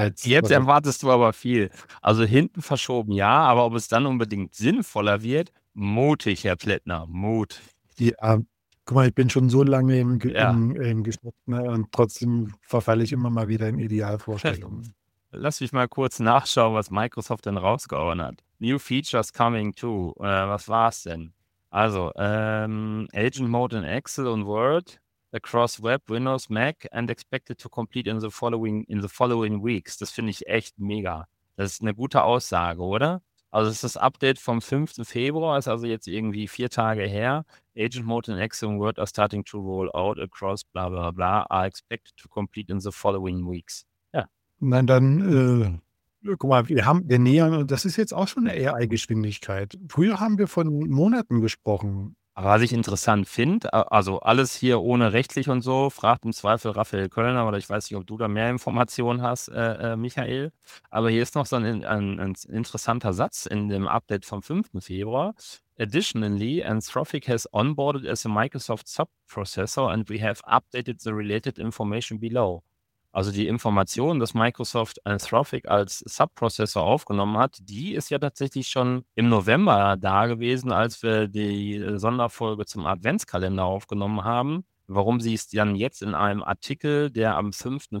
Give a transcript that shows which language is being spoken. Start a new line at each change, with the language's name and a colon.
German: Jetzt erwartest du aber viel. Also hinten verschoben, ja, aber ob es dann unbedingt sinnvoller wird, mutig, Herr Plättner, mutig. Ja. Guck mal, ich bin schon so lange im Geschmack, ne, und trotzdem verfalle ich immer mal wieder in Idealvorstellungen. Lass mich mal kurz nachschauen, was Microsoft denn rausgehauen hat.
English: New features coming to.
German: Was war es denn?
English: Also, Agent Mode in Excel und Word, across Web, Windows, Mac and expected to complete in the following weeks.
German: Das finde ich echt mega. Das ist eine gute Aussage, oder? Also es ist das Update vom 5. Februar, ist also jetzt irgendwie 4 Tage her.
English: Agent Mode in Excel und Word are starting to roll out across bla bla bla, are expected to complete in the following weeks.
German: Ja. Nein, dann, guck mal, wir nähern, das ist jetzt auch schon eine AI-Geschwindigkeit. Früher haben wir von Monaten gesprochen. Was ich interessant finde, also alles hier ohne rechtlich und so, fragt im Zweifel Raphael Kölner, aber ich weiß nicht, ob du da mehr Informationen hast, Michael. Aber hier ist noch so ein interessanter Satz in dem Update vom 5. Februar.
English: Additionally, Anthropic has onboarded as a Microsoft Subprocessor and we have updated the related information below.
German: Also die Information, dass Microsoft Anthropic als Subprocessor aufgenommen hat, die ist ja tatsächlich schon im November da gewesen, als wir die Sonderfolge zum Adventskalender aufgenommen haben. Warum sie es dann jetzt in einem Artikel, der am 5.